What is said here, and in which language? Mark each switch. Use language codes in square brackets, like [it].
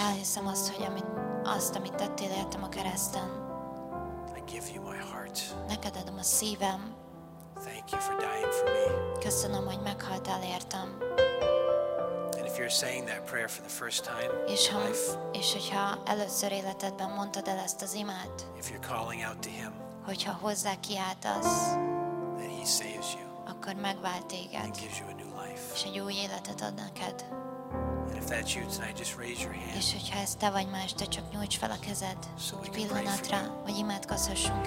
[hu] Elhiszem azt, hogy amit tettél értem a kereszten. [en] I give you my heart. [hu] Neked adom a szívem. [en] Thank you for dying for me. [hu] Köszönöm, hogy meghaltál értem. [en] And if you're saying that prayer for the first time, [hu] és hogyha először életedben mondtad el ezt az imát, [en] if you're calling out to him, [hu] hogyha hozzá kiáltasz, [en] then he saves you. [hu] Akkor megvált téged. [en] And gives you a new life. [hu] És egy új életet ad neked. [en] And if that's you tonight, just raise your hand. [hu] És hogyha ez te vagy más, te csak nyújts fel a kezed egy pillanatra, hogy imádkozhassunk